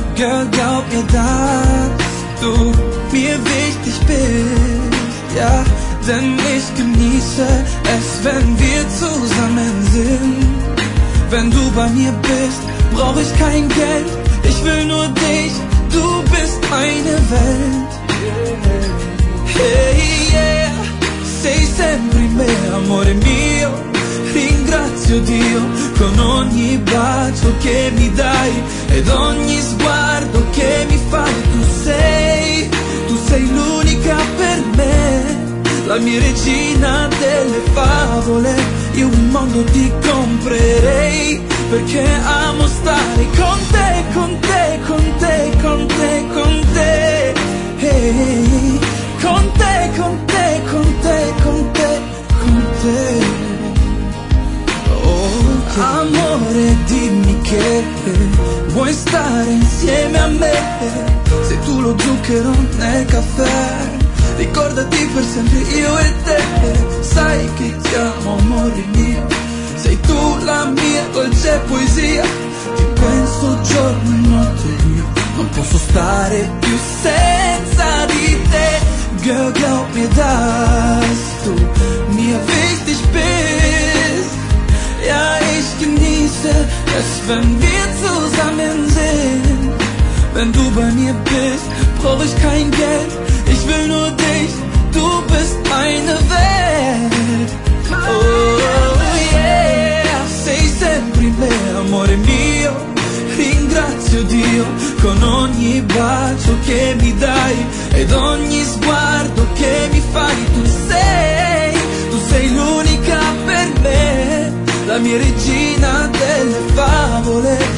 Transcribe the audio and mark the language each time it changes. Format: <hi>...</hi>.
<de>Girl, glaub mir, dass du mir wichtig bist, ja. Denn ich genieße es, wenn wir zusammen sind. Wenn du bei mir bist, brauch ich kein Geld. Ich will nur dich, du bist meine Welt.</de> <it>Hey, yeah, sei sempre me, amore mio. Ringrazio Dio con ogni bacio che mi dai ed ogni sguardo che mi fai. Tu sei l'unica per me, la mia regina delle favole. Io un mondo ti comprerei, perché amo stare con te, con te, con te, con te, con te. Hey, con te, con te, con te, con te, con te. Oh, amore, dimmi che vuoi stare insieme a me. Sei tu lo zucchero nel caffè, ricordati per sempre io e te. Sai che ti amo, amore mio. Sei tu la mia dolce poesia. Ti penso giorno e notte io. Non posso stare più senza di te.</it> <de>Girl, glaub mir, dass du mir wichtig bist. Ja, ich genieße es, wenn wir zusammen sind. Wenn du bei mir bist, brauch ich kein Geld. Ich will nur dich, du bist meine Welt.</de> <it>Oh yeah, sei sempre me, amore mio. Ringrazio Dio con ogni bacio che mi dai ed ogni sguardo che mi fai. Tu sei l'unica per me, la mia regina delle favole.</it>